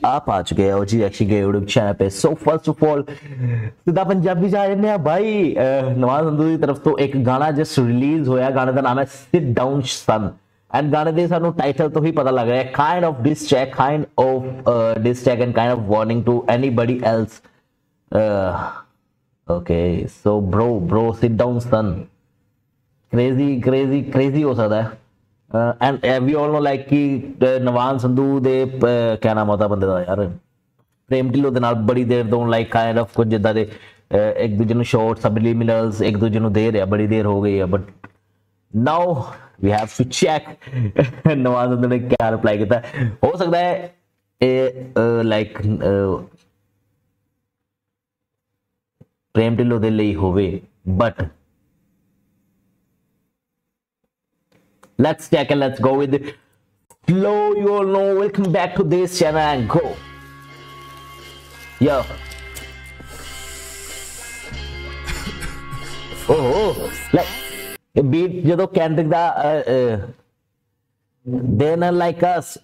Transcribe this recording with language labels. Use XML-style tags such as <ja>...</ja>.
<hi>आप आ चुके हैं OG Reaction के YouTube channel पे.</hi> <en>So first of all,</en> <hi>सीधा पंजाबी जा रहे हैं भाई. नवाज संधू की तरफ तो एक गाना जस्ट रिलीज होया. गाने का नाम है Sit Down Son.</hi> <pa>And गाने दे सानू टाइटल तो ही पता लग रहा है.</pa> <en>Kind of diss track, kind of diss track and kind of warning to anybody else. Okay, so bro, Sit Down Son.</en> <pa>Crazy crazy crazy ਹੋ ਸਕਦਾ</pa> <en>and we all know like</en> <pa>ਕਿ ਨਵਾਜ਼ ਸੰਧੂ ਦੇ ਕਿਆ ਨਾਮ ਉਹਦਾ ਬੰਦੇ ਦਾ ਯਾਰ ਪ੍ਰੇਮ ਢਿੱਲੋਂ ਦੇ ਨਾਲ ਬੜੀ ਦੇਰ ਤੋਂ</pa> <en>like kind of</en> <pa>ਕੁਝ ਇੱਦਾਂ ਦੇ ਇੱਕ ਦੂਜੇ ਨੂੰ ਸ਼ੋਰਟ ਸਬਲੀਮਿਨਲਸ ਇੱਕ ਦੂਜੇ ਨੂੰ ਦੇ ਰਿਹਾ ਬੜੀ ਦੇਰ ਹੋ ਗਈ ਆ</pa> <en>but now we have to check</en> <pa>Nawaz Sandhu ਨੇ ਕਿਆ ਰਿਪਲਾਈ ਕੀਤਾ ਹੋ ਸਕਦਾ ਹੈ ਇਹ ਲਾਈਕ ਪ੍ਰੇਮ ਢਿੱਲੋਂ ਦੇ ਲਈ ਹੋਵੇ but</pa> <en>Let's check and let's go with it. Hello, you all know. Welcome back to this channel and go. Yo. Oh, like, beat,</en> <pa>jadon Kendrick da,</pa> <en>they're not like us.</en>